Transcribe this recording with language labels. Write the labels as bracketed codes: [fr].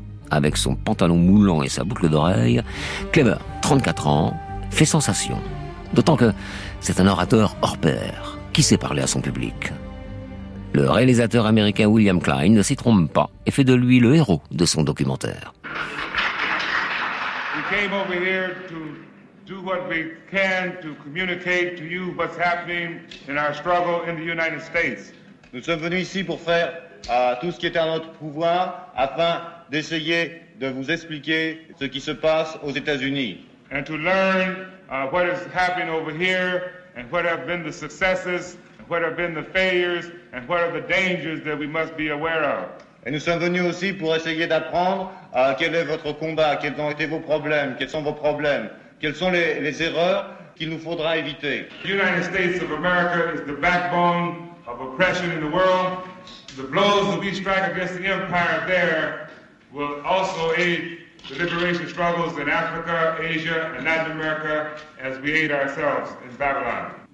[fr] Avec son pantalon moulant et sa boucle d'oreille, Cleaver, 34 ans, fait sensation. D'autant que c'est un orateur hors pair qui sait parler à son public. Le réalisateur américain William Klein ne s'y trompe pas et fait de lui le héros de son documentaire. [en] We came over here to do what we can to communicate to you what's happening in our struggle in the United States. [fr] Nous sommes venus ici pour faire tout ce qui est à notre pouvoir afin d'essayer de vous expliquer ce qui se passe aux États-Unis. [en] And to learn what is happening over here, and what have been the successes, and what have been the failures, and what are the dangers that we must be aware of. [fr] Et nous sommes venus aussi pour essayer d'apprendre quel est votre combat, quels ont été vos problèmes, quels sont vos problèmes, quelles sont les erreurs qu'il nous faudra éviter. [en] The United States of America is the backbone of oppression in the world. The blows that we strike against the empire there will also aid the liberation struggles in Africa, Asia, and Latin America, as we aid ourselves in Babylon.